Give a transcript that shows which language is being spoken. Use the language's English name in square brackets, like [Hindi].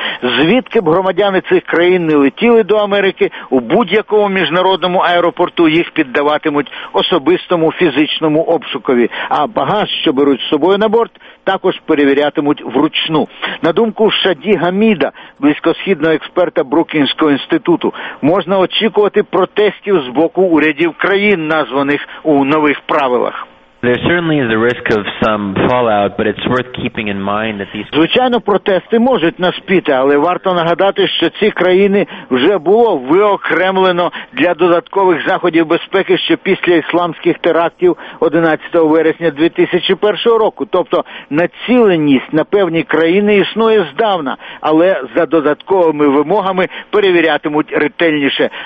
[Ukrainian] Звідки б громадяни цих країн не летіли до Америки, у будь-якому міжнародному аеропорту їх піддаватимуть особистому фізичному обшукові. А багаж, що беруть з собою на борт, також перевірятимуть вручну. На думку Шаді Гаміда, близькосхідного експерта Брукінського інституту, можна очікувати протестів з боку урядів країн, названих у нових правилах. [English] There certainly is a risk of some fallout, but it's worth keeping in mind that these... [Ukrainian] Звичайно, протести можуть наспіти, але варто нагадати, що ці країни вже було виокремлено для додаткових заходів безпеки ще після ісламських терактів 11 вересня 2001 року. Тобто націленість на певні країни існує здавна, але за додатковими вимогами перевірятимуть ретельніше.